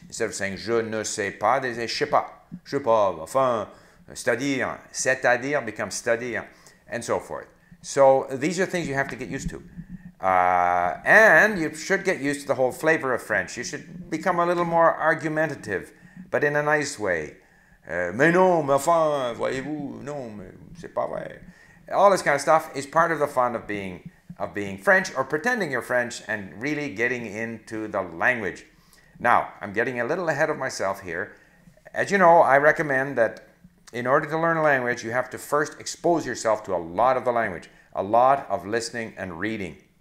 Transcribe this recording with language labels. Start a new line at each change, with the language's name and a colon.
English: Instead of saying
French: je ne sais pas,
English: they say
French: je sais pas, enfin, c'est-à-dire, c'est-à-dire
English: becomes
French: c'est-à-dire,
English: and so forth. So these are things you have to get used to. And you should get used to the whole flavor of French. You should become a little more argumentative, but in a nice way.
French: Mais non, mais enfin, voyez-vous, non, mais c'est pas vrai.
English: All this kind of stuff is part of the fun of being French, or pretending you're French and really getting into the language. Now, I'm getting a little ahead of myself here. As you know, I recommend that in order to learn a language, you have to first expose yourself to a lot of the language, a lot of listening and reading.